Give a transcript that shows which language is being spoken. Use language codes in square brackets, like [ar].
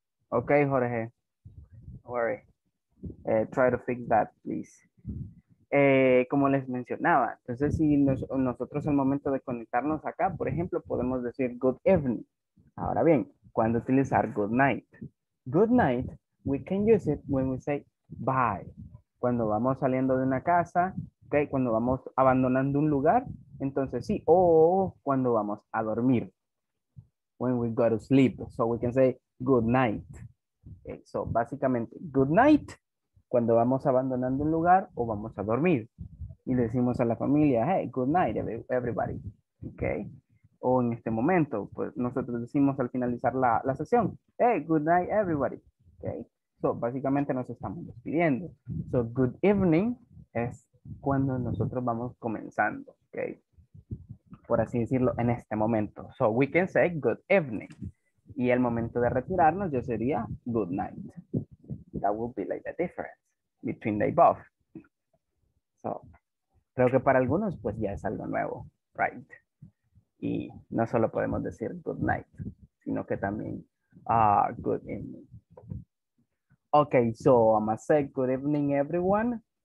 [en] Okay, Jorge. Worry. Try to fix that, please. [es] Como les mencionaba, entonces si nosotros al momento de conectarnos acá, por ejemplo, podemos decir [en] good evening. [es] Ahora bien, ¿cuándo utilizar good night? [en] Good night, we can use it when we say bye. [es] Cuando vamos saliendo de una casa, okay, cuando vamos abandonando un lugar, entonces sí, o cuando vamos a dormir. [en] When we go to sleep, so we can say good night. Okay, so básicamente, good night. [es] Cuando vamos abandonando un lugar o vamos a dormir y le decimos a la familia, [en] hey, good night, everybody. [es] Okay. O en este momento, pues nosotros decimos al finalizar la sesión, [en] hey, good night, everybody. [es] Okay. So, básicamente nos estamos despidiendo. So, good evening es cuando nosotros vamos comenzando. Okay. Por así decirlo, en este momento. [en] So, we can say good evening. [es] Y el momento de retirarnos yo sería good night. [en] That would be like the difference between the above. [es] So, creo que para algunos, pues ya es algo nuevo, right? Y no solo podemos decir good night, sino que también good evening. [en] Okay, so I'm gonna say good evening, everyone.